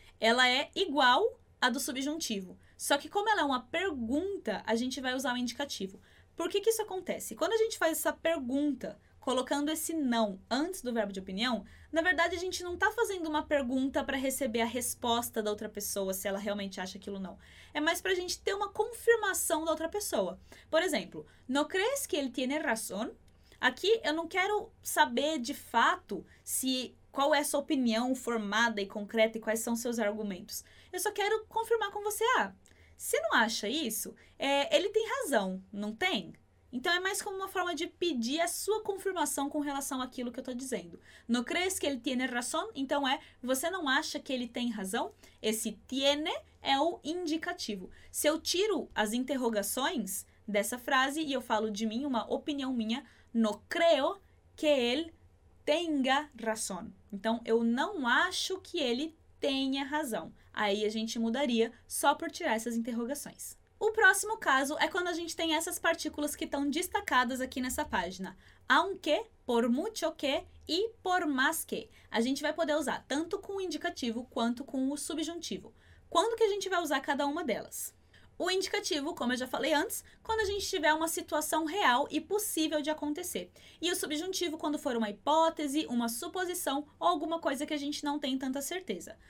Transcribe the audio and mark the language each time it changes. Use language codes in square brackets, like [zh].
[pt] Ela é igual à do subjuntivo. Só que, como ela é uma pergunta, a gente vai usar o indicativo. Por que que isso acontece? Quando a gente faz essa pergunta, colocando esse não antes do verbo de opinião, na verdade a gente não está fazendo uma pergunta para receber a resposta da outra pessoa, se ela realmente acha aquilo ou não. É mais para a gente ter uma confirmação da outra pessoa. Por exemplo, [es] no crees que él tiene razón? [pt] Aqui eu não quero saber de fato se qual é a sua opinião formada e concreta e quais são seus argumentos. Eu só quero confirmar com você: ah, se não acha isso, ele tem razão, não tem? Então, é mais como uma forma de pedir a sua confirmação com relação àquilo que eu estou dizendo. [es] No crees que ele tiene razón? [pt] Então, você não acha que ele tem razão? Esse tiene é o indicativo. Se eu tiro as interrogações dessa frase e eu falo de mim, uma opinião minha, [es] no creo que él tenga razón. [pt] Então, eu não acho que ele tenha razão. Aí a gente mudaria só por tirar essas interrogações. O próximo caso é quando a gente tem essas partículas que estão destacadas aqui nessa página. [es] Aunque, por mucho que e por más que. [pt] A gente vai poder usar tanto com o indicativo quanto com o subjuntivo. Quando que a gente vai usar cada uma delas? O indicativo, como eu já falei antes, quando a gente tiver uma situação real e possível de acontecer. E o subjuntivo, quando for uma hipótese, uma suposição ou alguma coisa que a gente não tem tanta certeza.